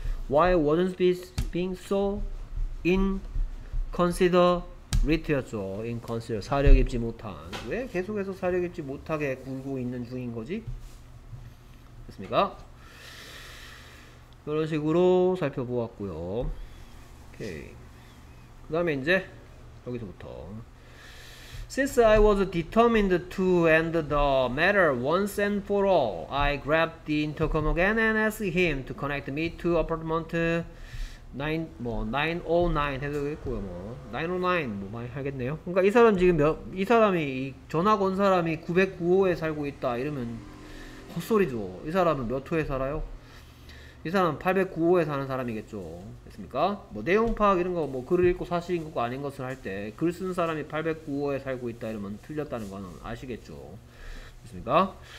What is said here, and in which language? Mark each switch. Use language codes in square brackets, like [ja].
[en] Why wasn't she being so inconsiderate [ko] 였죠. inconsiderate 사려 깊지 못한 왜 계속해서 사려 깊지 못하게 굴고 있는 중인 거지? 그렇습니까? 이런 식으로 살펴보았고요. 오케이. 그 다음에 이제 여기서부터 [en] Since I was determined to end the matter once and for all, I grabbed the intercom again and asked him to connect me to apartment 9, [ko] 뭐, 909 해도 되겠고요. 뭐, 909, 뭐 많이 하겠네요. 그러니까 이 사람 지금 이 사람이 이 전화 건 사람이 909호에 살고 있다 이러면 헛소리죠. 이 사람은 몇 호에 살아요? 이 사람 809호에 사는 사람이겠죠. 됐습니까? 뭐 내용 파악 이런 거뭐 글을 읽고 사실인 것과 아닌 것을 할때글 쓰는 사람이 809호에 살고 있다 이러면 틀렸다는 거는 아시겠죠. 됐습니까?